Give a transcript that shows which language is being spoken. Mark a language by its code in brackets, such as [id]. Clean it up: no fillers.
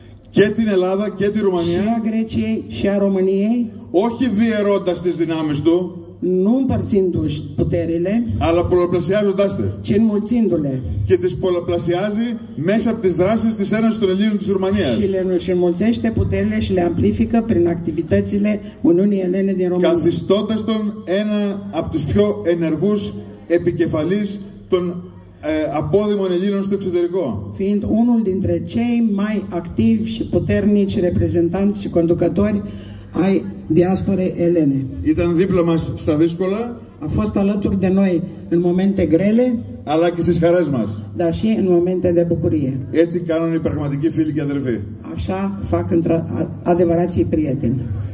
[el] και την Ελλάδα και τη Ρουμανία, [ro] σιά Γκρέτσιε, σιά Ρωμανίε, [el] όχι διαιρώντας τις δυνάμεις του, [ro] nu împărțindu-și puterile, [el] αλλά πολλαπλασιάζοντάστε. [ro] Και înmulțindu-le. [el] Και τις πολλαπλασιάζει μέσα από τις δράσεις της Ένωσης των Ελλήνων της Ρουμανίας. [ro] Și le înmulțește puterile și le amplifică prin activitățile Uniunii Ελλήνων din Ρουμανία. [el] Καθιστώντας τον ένα από τους πιο ενεργούς επικεφαλής των απόδημων Ελλήνων στο εξωτερικό. [ro] Fiind unul dintre cei mai activi și puternici reprezentanți și conducători ai diasporei elene. [el] Ήταν δίπλα μας στα δύσκολα. [ro] A fost alături de noi în momente grele. [el] Αλλά και στις χαρές μας. [ro] Dar și în momente de bucurie. [el] Έτσι κάνουν οι πραγματικοί φίλοι και αδερφοί. [ro] Așa fac adevărații prieteni.